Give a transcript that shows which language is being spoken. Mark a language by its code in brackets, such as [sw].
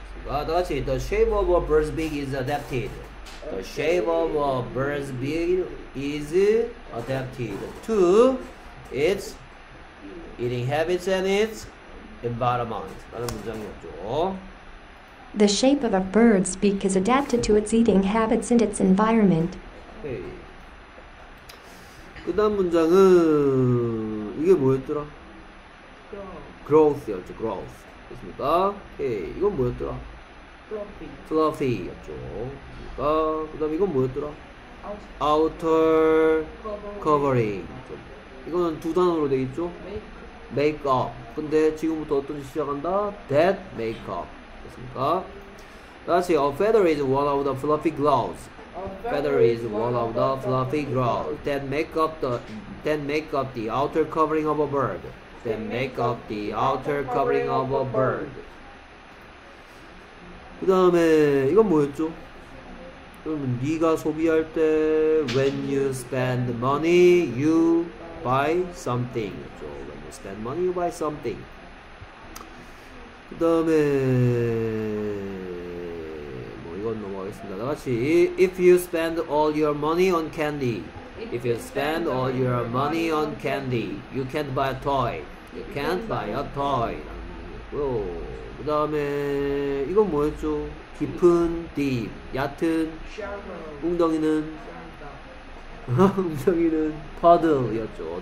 [ko] 다 같이 [en] the shape of a bird's beak is adapted. The shape of a bird's beak is adapted to its eating habits and its environment. [ko] 라는 문장이었죠. [en] The shape of a bird's beak is adapted to its eating habits and its environment. Okay. [ko] 그다음 문장은 이게 뭐였더라? Growth였죠. Growth. 그렇습니까? Okay. 이건 뭐였더라? Fluffy였죠. 아, 그 다음 이건 뭐였더라? [en] Outer covering. [ko] 이거는 두 단어로 되어있죠? [en] Makeup. [ko] 근데 지금부터 어떤지 시작한다? [en] That makeup. 됐습니까? [ko] 다시, [en] a feather is one of the fluffy gloves. Feather is one of the fluffy gloves that make up the outer covering of a bird. That make up the outer covering of a bird. [ko] 그 다음에 이건 뭐였죠? 그러면 네가 소비할 때 [en] when you spend money you buy something. So when you spend money you buy something. [ko] 그 다음에 뭐 이건 넘어가겠습니다. 다 같이 [en] if you spend all your money on candy, if you spend all your money on candy, you can't buy a toy. You can't buy a toy. [ko] 그 다음에 이건 뭐였죠? 깊은 deep, 얕은 웅덩이는 웅덩이는 puddle였죠.